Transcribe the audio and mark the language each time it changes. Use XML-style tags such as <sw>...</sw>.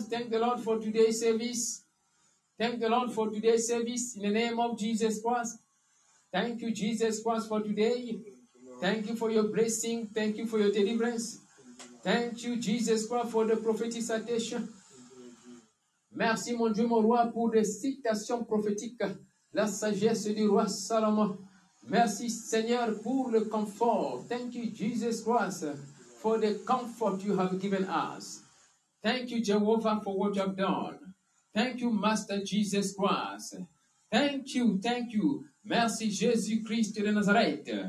<en>Thank the Lord for today's service. Thank the Lord for today's service in the name of Jesus Christ. Thank you, Jesus Christ, for today. Thank you for your blessing. Thank you for your deliverance. Thank you, Jesus Christ, for the prophetic citation.</en> <fr>Merci, mon Dieu, mon roi, pour les citations prophétiques. La sagesse du roi Salomon. Merci, Seigneur, pour le confort.</fr> <en>Thank you, Jesus Christ, for the comfort you have given us. Thank you, Jehovah, for what you have done. Thank you, Master Jesus Christ. Thank you, thank you.</en> <fr>Merci, Jésus Christ de Nazareth.</fr>